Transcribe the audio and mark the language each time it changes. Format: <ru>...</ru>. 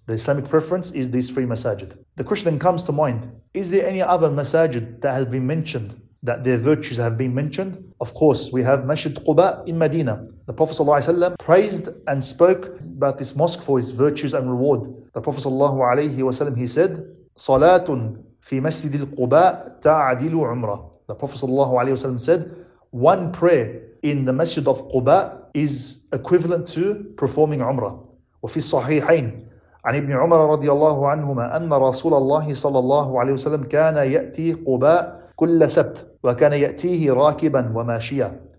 <en>The Islamic preference is these three masajid. The question then comes to mind, is there any other masajid that has been mentioned, that their virtues have been mentioned? Of course, we have Masjid Quba in Medina. The Prophet ﷺ praised and spoke about this mosque for its virtues and reward. The Prophet ﷺ, he said,</en> <ar>صَلَاةٌ فِي مَسْجِدِ الْقُبَىٰ تَعْدِلُ عُمْرًا.</ar> <en>The Prophet ﷺ said, one prayer in the Masjid of Quba is equivalent to performing Umrah.</en> <ar>وَفِي الصَّحِيحَيْنِ عَنِ ابْنِ عُمَرَ رَضِيَ اللَّهُ عَنْهُمَا أَنَّ رَسُولَ اللَّهِ صَلَى اللَّهُ عَلَيْهِ وَسَلَمْ كَانَ يَأْتِي قُبَىٰ كُلَّ سَبْتْ وَكَانَ يَأْتِيهِ رَاكِبًا وَمَاشِيًا.</ar>